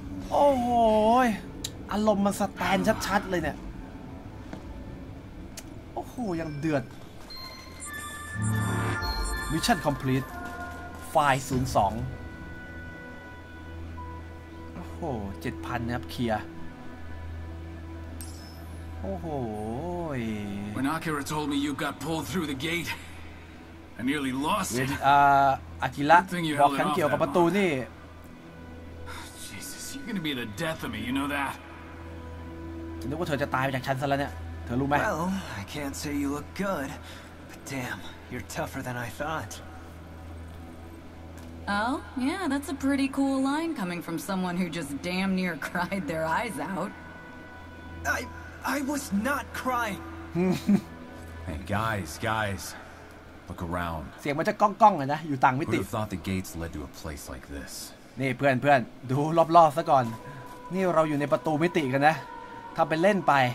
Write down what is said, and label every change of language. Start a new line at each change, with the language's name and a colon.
Thai: โอ้โหอารมณ์มันสแตนชัดๆเลยเนี่ยโอ้โหยังเดือดมิชชั่นคอมพลีทไฟล์02โอ้โห 7,000 นะครับเคลียร์โอ้โห
English: When Akira told me you got pulled through the gate I nearly lost it
Thai: Akira บอกฉันเกี่ยวกับประตูนี่
English: Jesus you're gonna be the death of me you know that
Thai: ฉันนึกว่าเธอจะตายไปจากฉันซะแล้วเนี่ยเธอรู้ไหม
English: Well I can't say you look good but damn you're tougher than I thought Oh, yeah, that's a pretty cool line coming from someone who just damn near cried their eyes out. I was not crying. Hey, guys, look around.
Thai: เสียงมันจะก้องๆอ่ะนะอยู่ต่างมิติ
English: Who'd have thought the gates led to a place like this?
Thai: นี่เพื่อนๆดูรอบๆซะก่อนนี่เราอยู่ในประตูมิติกันนะถ้าไปเล่นไป